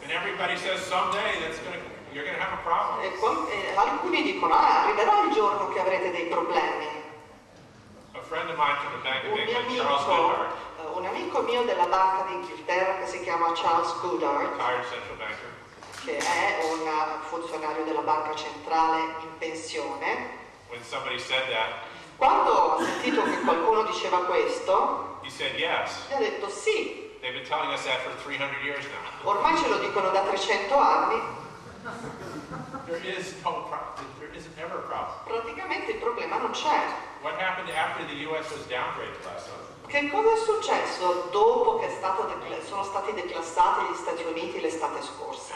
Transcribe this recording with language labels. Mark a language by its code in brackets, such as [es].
[en] And everybody says someday that's you're gonna have a problem. [it] E alcuni dicono arriverà il giorno che avrete dei problemi. [en] A friend of mine from the Bank of England, Charles Goodhart. [it] Un amico mio della banca d'Inghilterra che si chiama Charles Goodhart, [en] retired central banker, [it] che è un funzionario della banca centrale in pensione. [en] When somebody said that, [it] quando ha sentito che qualcuno diceva questo, [en] he said yes. [it] Gli ha detto sì. [en] They've been telling us that for 300 years now. [it] Ormai ce lo dicono da 300 anni. [en] There is no problem. There isn't ever a problem. [it] Praticamente il problema non c'è. [en] What happened after the US was downgraded last summer? [it] Che cosa è successo dopo che sono stati declassati gli Stati Uniti l'estate scorsa?